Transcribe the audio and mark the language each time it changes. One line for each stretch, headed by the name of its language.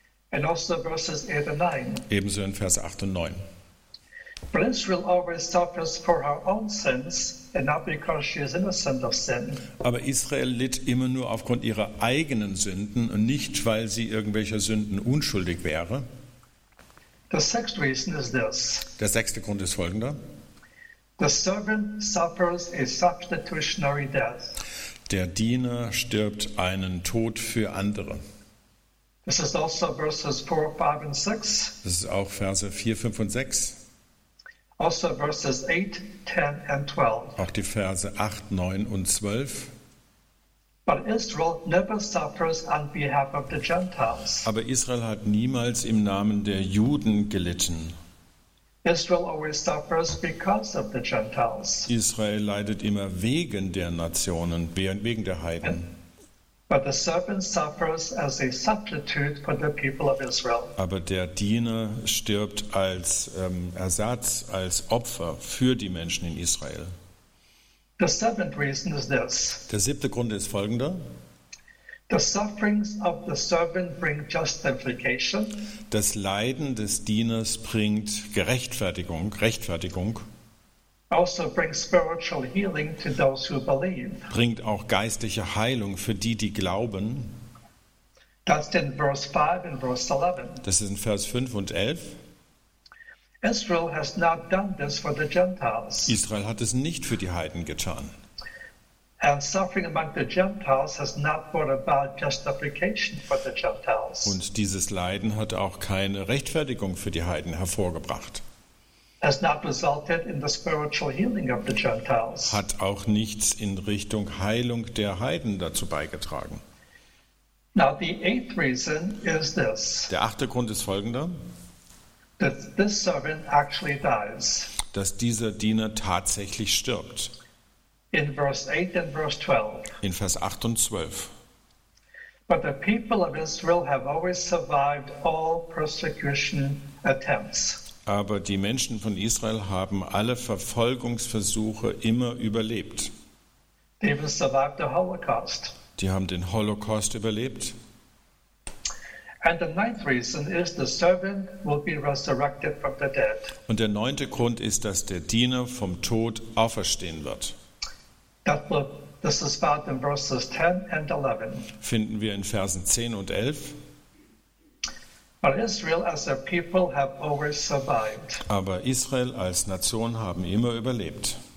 English: And also verses 8 and 9.
German: Ebenso in Vers 8 und 9.
English: But Israel always suffers for her own sins and not because she is innocent of sin.
German: Aber Israel litt immer nur aufgrund ihrer eigenen Sünden und nicht, weil sie irgendwelcher Sünden unschuldig wäre.
English: The sixth reason is this.
German: Der sechste Grund ist folgender.
English: The servant suffers a substitutionary death.
German: Der Diener stirbt einen Tod für andere.
English: This is also verses 4, 5 and 6.
German: Das ist auch Verse 4, 5 und 6.
English: Also verses 8, 10 and 12.
German: Auch die Verse 8, 9 und 12.
English: But Israel never suffers on behalf of the Gentiles.
German: Aber Israel hat niemals im Namen der Juden gelitten.
English: Israel always suffers because of the Gentiles.
German: Israel leidet immer wegen der Nationen, wegen der Heiden.
English: But the servant suffers as a substitute for the people of Israel.
German: Aber der Diener stirbt als Ersatz, als Opfer für die Menschen in Israel.
English: The seventh reason is this.
German: Der siebte Grund ist folgender.
English: The sufferings of the servant bring justification.
German: Das Leiden des Dieners bringt Gerechtfertigung, Rechtfertigung.
English: Also brings spiritual healing to those who believe.
German: Bringt auch geistliche Heilung für die, die glauben.
English: That's in verse 5 and verse 11.
German: Das ist in Vers 5 und 11.
English: Israel has not done this for the Gentiles.
German: Israel hat es nicht für die Heiden getan.
English: And suffering among the Gentiles has not brought about justification for the Gentiles.
German: Und dieses Leiden hat auch keine Rechtfertigung für die Heiden hervorgebracht.
English: Has not resulted in the spiritual healing of the Gentiles.
German: Hat auch nichts in Richtung Heilung der Heiden dazu beigetragen.
English: Now the eighth reason is this.
German: Der achte Grund ist folgender.
English: That this servant actually dies.
German: Dass dieser Diener tatsächlich stirbt.
English: In verse 8 and verse 12.
German: In Vers 8 und 12.
English: But the people of Israel have always survived all persecution attempts.
German: Aber die Menschen von Israel haben alle Verfolgungsversuche immer überlebt.
English: They have survived the Holocaust.
German: Die haben den Holocaust überlebt.
English: And the ninth reason is the servant will be resurrected from the dead.
German: Und der neunte Grund ist, dass der Diener vom Tod auferstehen wird.
English: This is found in verses 10 and 11.
German: Finden wir in Versen 10 und 11.
English: But Israel as a people have always survived.
German: Aber Israel als Nation haben immer überlebt.